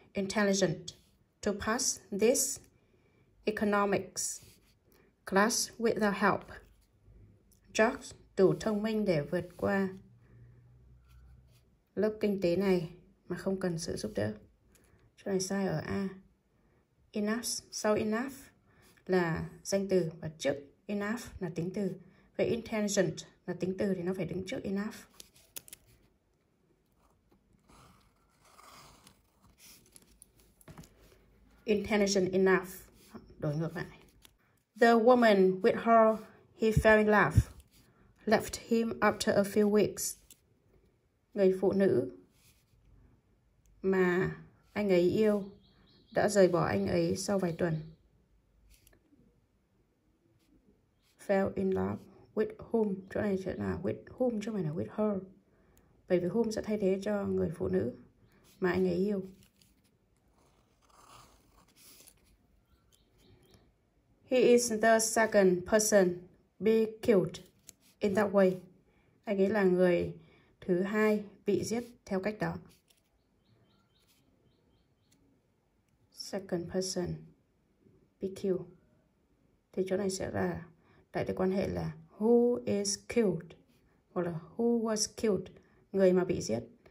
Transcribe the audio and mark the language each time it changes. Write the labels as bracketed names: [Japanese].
[English] Intelligent to pass this economics class without help. [Vietnamese] Jack đủ thông minh để vượt qua lớp kinh tế này mà không cần sự giúp đỡ. Chỗ này sai ở A. Enough, sau enough là danh từ và trước enough là tính từ. Vậy intelligent là tính từ thì nó phải đứng trước enough. [English] Intelligent enough. [Vietnamese] Đổi ngược lại. [English] The woman with her he fell in love left him after a few weeks. [Vietnamese] Người phụ nữ mà anh ấy yêu đã rời bỏ anh ấy sau vài tuần. [English] Fell in love with whom? [Vietnamese] Chỗ này sẽ là [English] with whom [Vietnamese] chứ không phải là [English] with her. [Vietnamese] Bởi vì whom sẽ thay thế cho người phụ nữ mà anh ấy yêu. [English] He is the second person be killed in that way. [Vietnamese] Anh ấy là người thứ hai bị giết theo cách đó. [English] Second person be killed. [Vietnamese] Thì chỗ này sẽ là đại từ quan hệ là [English] who is killed [Vietnamese] hoặc là [English] who was killed, [Vietnamese] người mà bị giết.